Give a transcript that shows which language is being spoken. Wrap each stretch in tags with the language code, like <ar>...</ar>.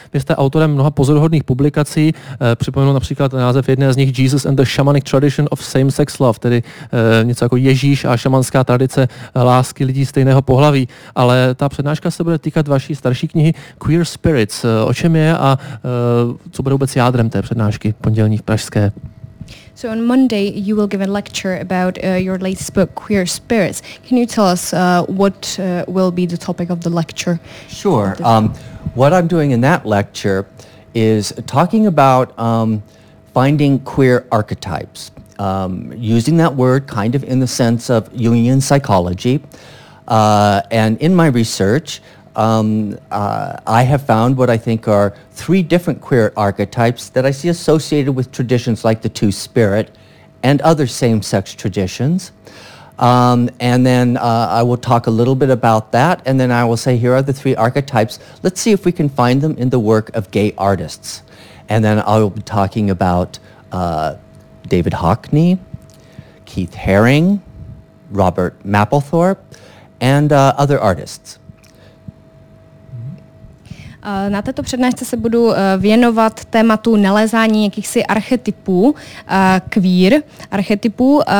<cs>Vy jste autorem mnoha pozoruhodných publikací, připomenu například název jedné z nich Jesus and the Shamanic Tradition of Same-Sex Love, tedy něco jako Ježíš a šamanská tradice lásky lidí stejného pohlaví, ale ta přednáška se bude týkat vaší starší knihy Queer Spirits. O čem je a co bude vůbec jádrem té přednášky pondělní v Pražské?</cs> <en>So on Monday you will give a lecture about your latest book Queer Spirits. Can you tell us what will be the topic of the lecture? Sure. What I'm doing in that lecture is talking about finding queer archetypes. Using that word kind of in the sense of Jungian psychology. And in my research I have found what I think are three different queer archetypes that I see associated with traditions like the Two-Spirit and other same-sex traditions. And then I will talk a little bit about that, and then I will say, here are the three archetypes. Let's see if we can find them in the work of gay artists. And then I will be talking about David Hockney, Keith Haring, Robert Mapplethorpe, and other artists.</en> <cs>Na této přednášce se budu věnovat tématu nalézání jakýchsi archetypů queer archetypů.</cs>